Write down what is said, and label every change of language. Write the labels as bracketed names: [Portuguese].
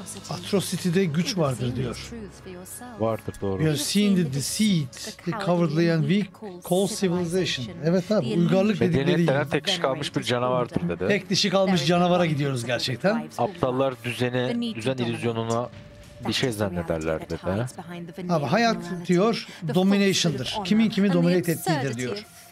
[Turkish] Atrocity'de güç vardır diyor. Vardır, doğru. [English] You have seen the deceit, the cowardly and weak called civilization. [Turkish] Evet abi, uygarlık dedikleri gibi. Tek dişi kalmış bir canavardır dedi. Tek dişi kalmış canavara gidiyoruz gerçekten. Aptallar düzeni, düzen illüzyonuna bir şey zannederler dedi. Abi hayat diyor, domination'dır. Kimin kimi dominate ettiğidir diyor.